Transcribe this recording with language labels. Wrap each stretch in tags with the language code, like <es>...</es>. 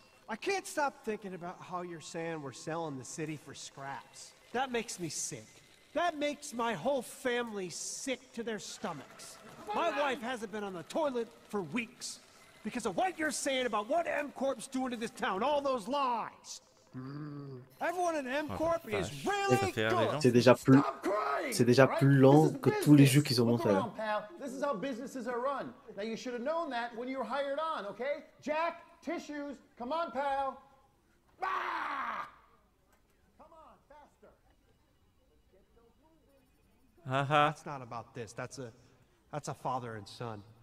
<en>I can't stop thinking about how you're saying we're selling the city for scraps. That makes me sick. That makes my whole family sick to their stomachs. My wife hasn't been on the toilet for weeks because of what you're saying about what M Corp's doing to this town, all those lies. Everyone in M Corp is really good.</en> <fr>C'est déjà plus lent que tous les jeux qu'ils ont montés.</fr> <en>This is how businesses are run. Now you should have known that when you were hired on, okay? Jack, tissues, come on, pal. Bah! Come on, faster. That's not about this. That's a father and son.</en>